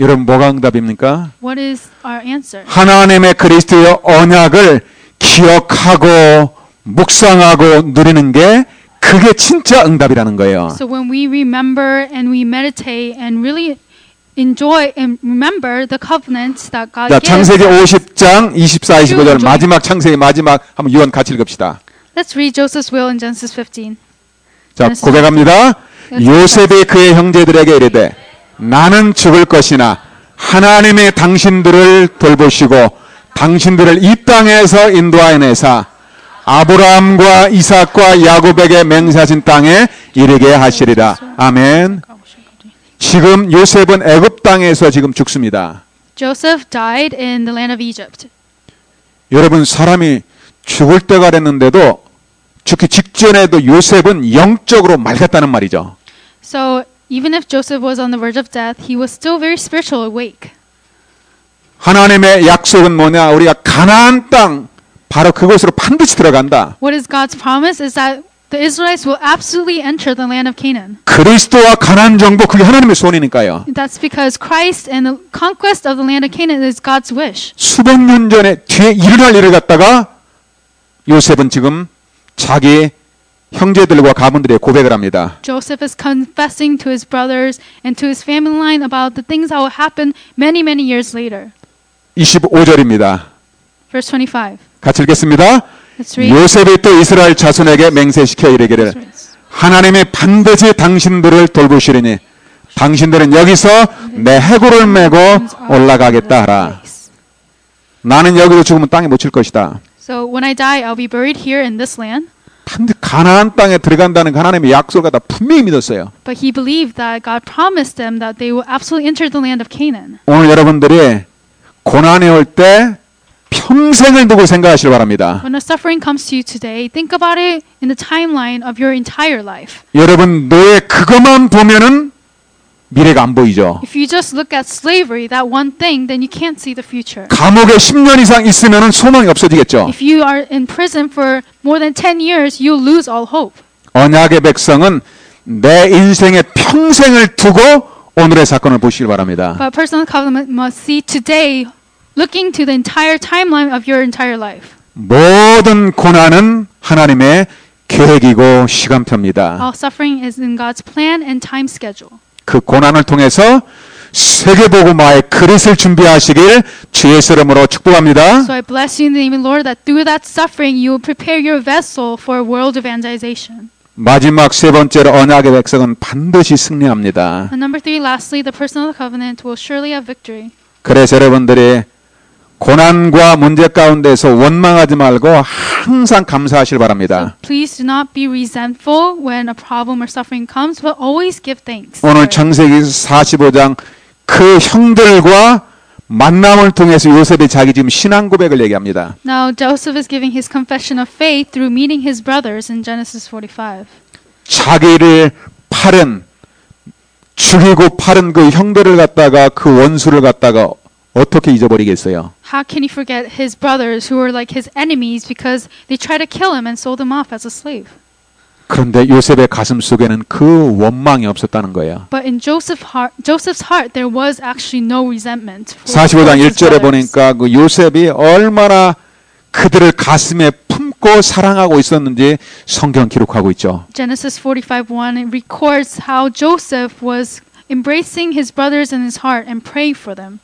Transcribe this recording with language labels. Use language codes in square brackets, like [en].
[ko] 여러분 뭐가 응답입니까? [en] What is our answer? [ko] 하나님의 그리스도의 언약을 기억하고 묵상하고 누리는 게 그게 진짜 응답이라는 거예요. [en] So when we remember and we meditate and really enjoy and remember the covenant that God gave. [ko] 창세기 50장 24, 25절 마지막 창세기 마지막 한번 유언 같이 읽읍시다. [en] Let's read Joseph's will in Genesis 15. [ko] 자, 고백합니다. 요셉이 그의 형제들에게 이르되 나는 죽을 것이나 하나님의 당신들을 돌보시고 당신들을 이 땅에서 인도하여 내사 아브라함과 이삭과 야곱에게 맹세하신 땅에 이르게 하시리라. 아멘. 지금 요셉은 애굽 땅에서 지금 죽습니다. [en] Joseph died in the land of Egypt. [ko] 여러분 사람이 죽을 때가 됐는데도 죽기 직전에도 요셉은 영적으로 맑았다는 말이죠. [en] So even if Joseph was on the verge of death, he was still very spiritual awake. [ko] 하나님의 약속은 뭐냐? 우리가 가나안 땅 바로 그곳으로 반드시 들어간다. [en] What is God's promise is that The Israelites will absolutely enter the land of Canaan. [ko] 그리스도와 가나안 정복 그게 하나님의 소원이니까요. [en] That's because Christ and the conquest of the land of Canaan is God's wish. [ko] 수백 년 전에 뒤에 일어날 일을 갖다가 요셉은 지금 자기 형제들과 가문들에 고백을 합니다. [en] Joseph is confessing to his brothers and to his family line about the things that will happen many many years later. [ko] 25절입니다. [en] Verse 25. [ko] 같이 읽겠습니다. 요셉이 또 이스라엘 자손에게 맹세시켜 이르기를 하나님이 반드시 당신들을 돌보시리니 당신들은 여기서 내 해골을 메고 올라가겠다 하라. 나는 여기서 죽으면 땅에 묻힐 것이다. [en] So when I die, I'll be buried here in this land. [ko] 반드시 가나안 땅에 들어간다는 하나님의 약속을 다 분명히 믿었어요. [en] But he believed that God promised them that they will absolutely enter the land of Canaan. [ko] 오늘 여러분들이 고난이 올 때 평생을 두고 생각하시길 바랍니다. [en] When a suffering comes to you today, think about it in the timeline of your entire life. [ko] 여러분 노예 그것만 보면은 미래가 안 보이죠. [en] If you just look at slavery, that one thing, then you can't see the future. [ko] 감옥에 10년 이상 있으면은 소망이 없어지겠죠. [en] If you are in prison for more than 10 years, you lose all hope. [ko] 언약의 백성은 내 인생의 평생을 두고 오늘의 사건을 보시길 바랍니다. [en] But a personal covenant must see today. Looking to the entire timeline of your entire life. [ko] 모든 고난은 하나님의 계획이고 시간표입니다. [en] All suffering is in God's plan and time schedule. [ko] 그 고난을 통해서 세계복음화의 그릇을 준비하시길 주의 이름으로 축복합니다. [en] So I bless you in the name of the Lord that through that suffering you will prepare your vessel for world evangelization. [ko] 마지막 세 번째로 언약의 백성은 반드시 승리합니다. [en] And number three, lastly, the person of the covenant will surely have victory. [ko] 그래서 여러분들이 고난과 문제 가운데서 원망하지 말고 항상 감사하시길 바랍니다. [en] So please do not be resentful when a problem or suffering comes, but always give thanks. [ko] 오늘 창세기 45장 그 형들과 만남을 통해서 요셉이 자기 지금 신앙 고백을 얘기합니다. [en] Now Joseph is giving his confession of faith through meeting his brothers in Genesis 45. [ko] 자기를 팔은 죽이고 팔은 그 형들을 갖다가 그 원수를 갖다가 어떻게 잊어버리겠어요? [en] How can he forget his brothers who were like his enemies because they tried to kill him and sold him off as a slave? [ko] 그런데 요셉의 가슴 속에는 그 원망이 없었다는 거예요. [en] But in Joseph's heart there was actually no resentment. [ko] 45장 1절에 보니까 그 요셉이 얼마나 그들을 가슴에 품고 사랑하고 있었는지 성경 기록하고 있죠. [en] Genesis 45:1 records how Joseph was embracing his brothers in his heart and praying for them.